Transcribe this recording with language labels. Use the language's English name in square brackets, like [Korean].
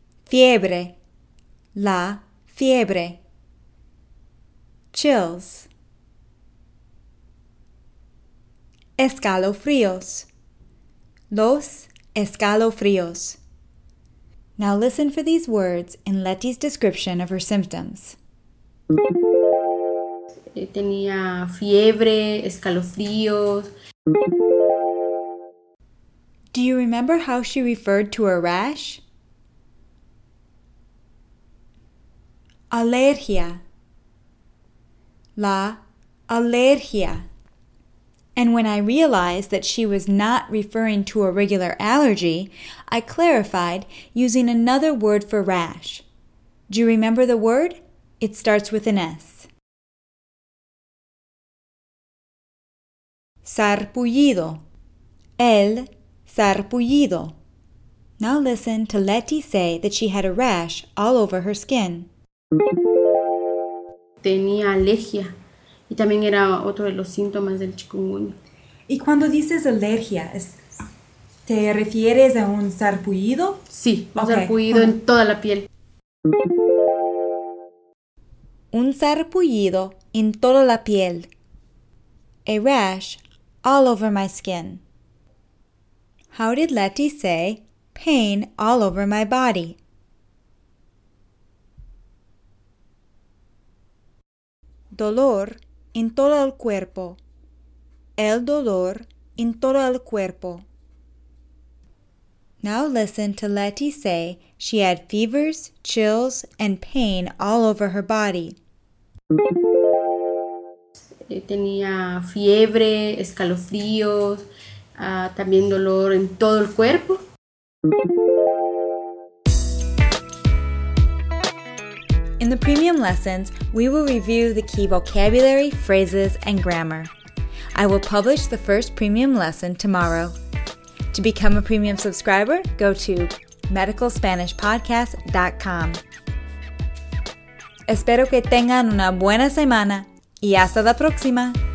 [Spanish] Fiebre. La fiebre. Chills. Escalofríos. Los escalofríos. [English] Now listen for these words in Leti's description of her symptoms. [Spanish] Tenía fiebre, escalofríos. [English] Do you remember how she referred to a rash? [Spanish] Alergia. La alergia. [English] And when I realized that she was not referring to a regular allergy, I clarified using another word for rash. Do you remember the word? It starts with an S. [Spanish] Sarpullido. El sarpullido. [English] Now listen to Leti say that she had a rash all over her skin. [Spanish] Tenía alergia. Y también era otro de los síntomas del chikungunya. Y cuando dices alergia, ¿te refieres a un sarpullido? Sí, un sarpullido en toda la piel. Un sarpullido en toda la piel. [English] A rash all over my skin. How did Leti say pain all over my body? [Spanish] Dolor en todo el cuerpo. El dolor en todo el cuerpo. [English] Now listen to Leti say she had fevers, chills, and pain all over her body. [Spanish] Tenía fiebre, escalofríos, también dolor en todo el cuerpo. [English] In the premium lessons, we will review the key vocabulary, phrases, and grammar. I will publish the first premium lesson tomorrow. To become a premium subscriber, go to medicalspanishpodcast.com. [Spanish] Espero que tengan una buena semana y hasta la próxima.